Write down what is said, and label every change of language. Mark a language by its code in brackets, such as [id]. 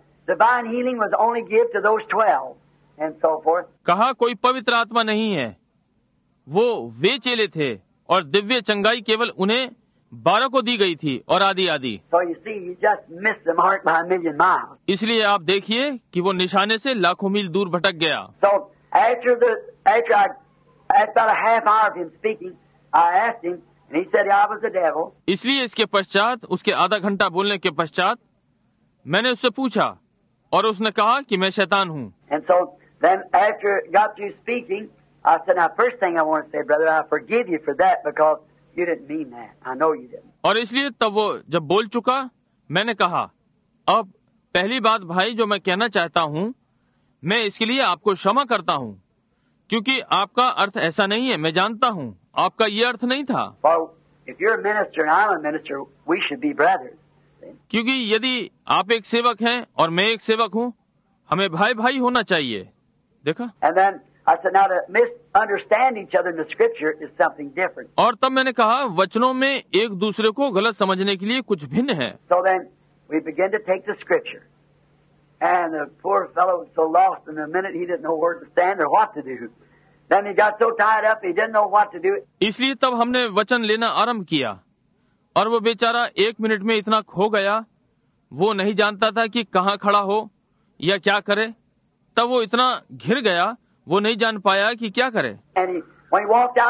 [en] Divine healing was only given to those 12 and so forth. [hi] कहा कोई पवित्र आत्मा नहीं है, वो वे चेले थे और दिव्य चंगाई केवल उन्हें 12 को दी गई थी और आदि आदि. [en] So you see, he just missed the mark by a million miles. [hi] इसलिए आप देखिए कि वो निशाने से लाखों मील दूर भटक गया. [en] So after a half hour of him speaking, I asked him, and he said I was the devil. [hi] इसलिए इसके पश्चात, उसके आधा घंटा बोलने के पश्चात, मैंने उससे पूछा और उसने कहा कि मैं शैतान हूँ. [en] And so then after got you speaking, I said, now first thing I want to say, brother, I forgive you for that because you didn't mean that. I know you didn't. [hi] और इसलिए तब वो जब बोल चुका, मैंने कहा, अब पहली बात भाई जो मैं कहना चाहता हूँ, मैं इसके लिए आपको क्षमा करता हूँ, क्योंकि आपका अर्थ ऐसा नहीं है. मैं जानता हूँ आपका ये अर्थ नहीं था. [en] Well, if you're a minister and I'm a minister, we should be brothers. [hi] क्योंकि यदि आप एक सेवक हैं और मैं एक सेवक हूँ, हमें भाई भाई होना चाहिए. देखा. [en] And then I said, now to misunderstand each other in the scripture is something different. [hi] और तब मैंने कहा, वचनों में एक दूसरे को गलत समझने के लिए कुछ भिन्न है. [en] So then we began to take the scripture. And the poor fellow was so lost in the minute he didn't know where to stand or what to do. Then he got so tied up he didn't know what to do. [hi] इसलिए तब हमने वचन लेना आरंभ किया और वो बेचारा एक मिनट में इतना खो गया, वो नहीं जानता था कि कहाँ खड़ा हो या क्या करे. तब वो इतना घिर गया, वो नहीं जान पाया कि क्या करे.